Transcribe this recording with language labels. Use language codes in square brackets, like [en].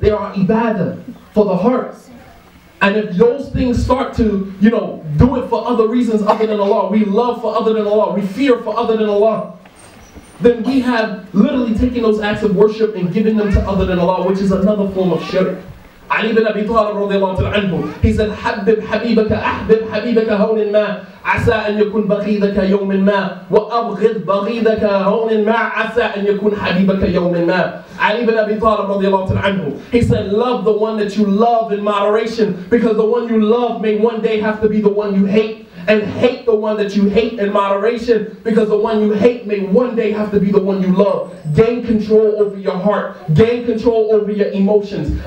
[en] They are ibadah for the heart. And if those things start to, you know, do it for other reasons other than Allah, we love for other than Allah, we fear for other than Allah, then we have literally taken those acts of worship and given them to other than Allah, which is another form of shirk. [ar] Ali ibn Abi Talib radiallahu ta'ala anhu, [en] he said, [ar] حَبِّبْ حَبِيبَكَ أَحْبِبْ حَبِيبَكَ هَوْنٍ مَا عَسَىٰ أَنْ يَكُنْ بَغِيدَكَ يَوْمٍ مَا وَأَبْغِدْ بَغِيدَكَ هَوْنٍ مَا عَسَىٰ أَنْ يَكُنْ حَبِيبَكَ يَوْمٍ مَا. [en] Ali ibn Abi Talib radiallahu ta'ala anhu, he said, love the one that you love in moderation, because the one you love may one day have to be the one you hate, and hate the one that you hate in moderation, because the one you hate may one day have to be the one you love. Gain control over your heart. Gain control over your emotions.